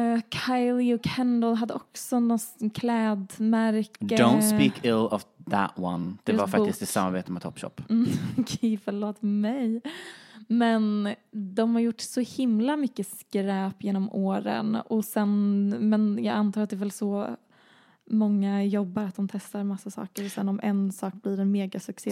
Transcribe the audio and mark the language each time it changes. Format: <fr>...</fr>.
<sv>Kylie och Kendall hade också någon klädmärke.</sv> <en>Don't speak ill of that one.</en> <sv>Det var faktiskt i samarbete med Topshop. Okej, förlåt mig. Men de har gjort så himla mycket skräp genom åren. Och sen, men jag antar att det är väl så många jobbar, att de testar massa saker. Och sen om en sak blir en megasuccé</sv>